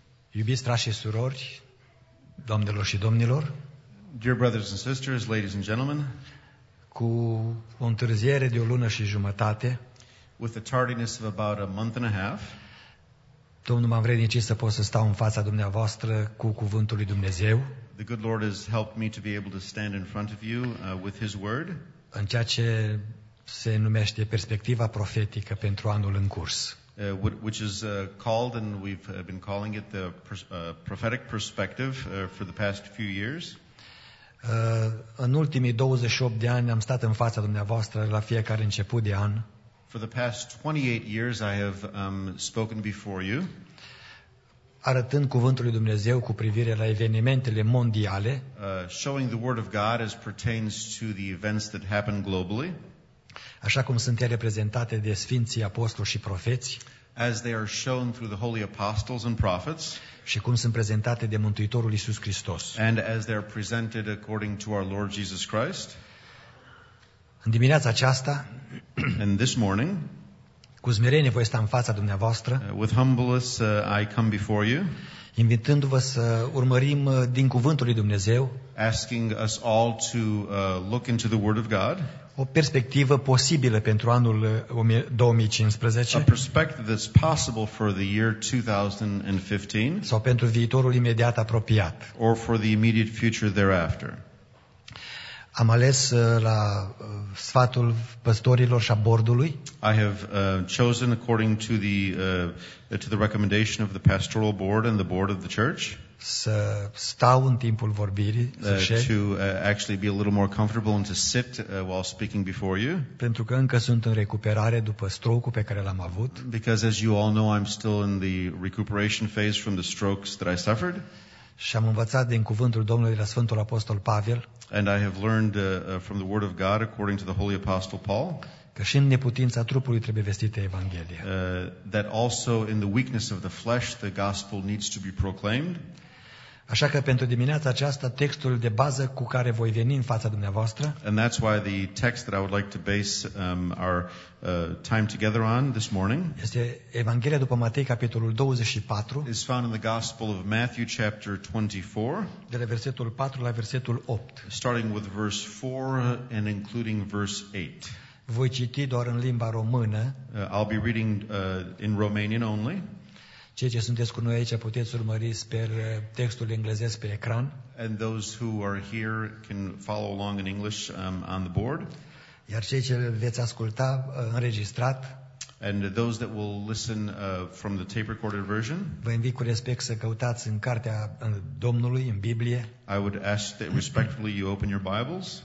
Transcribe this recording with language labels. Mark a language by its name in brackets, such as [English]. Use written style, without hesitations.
[Romanian] Iubiți frați și surori, domnilor și domnilor, [English] dear brothers and sisters, ladies and gentlemen, [Romanian] cu o întârziere de o lună și jumătate, [English] with a tardiness of about a month and a half, [Romanian] Domnul m-a învrednicit să pot să stau în fața dumneavoastră cu cuvântul lui Dumnezeu. [English] The good Lord has helped me to be able to stand in front of you with his word. [Romanian] În ceea ce se numește perspectiva profetică pentru anul în curs. [English] Which is called, and we've been calling it, the prophetic perspective for the past few years. [Romanian] În ultimii 28 de ani am stat în fața dumneavoastră la fiecare început de an. [English] For the past 28 years I have spoken before you. [Romanian] Arătând cuvântul lui Dumnezeu cu privire la evenimentele mondiale. [English] Showing the word of God as pertains to the events that happen globally. [Romanian] Așa cum sunt ele prezentate de Sfinții Apostoli și Profeți, [English] as they are shown through the holy apostles and prophets, [Romanian] și cum sunt prezentate de Mântuitorul Iisus Hristos. [English] And as they are presented according to our Lord Jesus Christ. [Romanian] În dimineața aceasta, [English] and this morning, [Romanian] cu smerenie voi sta în fața dumneavoastră, [English] with humbleness I come before you, [Romanian] invitându-vă să urmărim din cuvântul lui Dumnezeu, [English] asking us all to look into the word of God, [Romanian] o perspectivă posibilă pentru anul 2015, [English] a perspective that's possible for the year 2015, [Romanian] sau pentru viitorul imediat apropiat, [English] or for the immediate future thereafter. [Romanian] Am ales la sfatul păstorilor și a bordului. [English] I have chosen according to the recommendation of the pastoral board and the board of the church. [Romanian] Să stau în timpul vorbirii, să șez. [English] To actually be a little more comfortable and to sit while speaking before you. [Romanian] Pentru că încă sunt în recuperare după stroke-ul pe care l-am avut. [English] Because as you all know, I'm still in the recuperation phase from the strokes that I suffered. [Romanian] Și am învățat din cuvântul Domnului de la Sfântul Apostol Pavel. [English] And I have learned from the word of God according to the holy apostle Paul. [Romanian] Că și în neputința trupului trebuie vestită evanghelia. [English] That also in the weakness of the flesh the gospel needs to be proclaimed. [Romanian] Așa că pentru dimineața aceasta textul de bază cu care voi veni în fața dumneavoastră. [English] And that's why the text that I would like to base our time together on this morning. [Romanian] Este Evanghelia după Matei capitolul 24. [English] Is found in the Gospel of Matthew chapter 24. [Romanian] De la versetul 4 la versetul 8. [English] Starting with verse 4 and including verse 8. [Romanian] Voi citi doar în limba română. [English] I'll be reading in Romanian only. [Romanian] Cei ce sunteți cu noi aici puteți urmări pe textul englezesc pe ecran. [English] And those who are here can follow along in English on the board. [Romanian] Iar cei ce veți asculta înregistrat. [English] And those that will listen from the tape recorded version. [Romanian] Vă invit cu respect să căutați în cartea Domnului, în Biblie. [English] I would ask that respectfully you open your Bibles.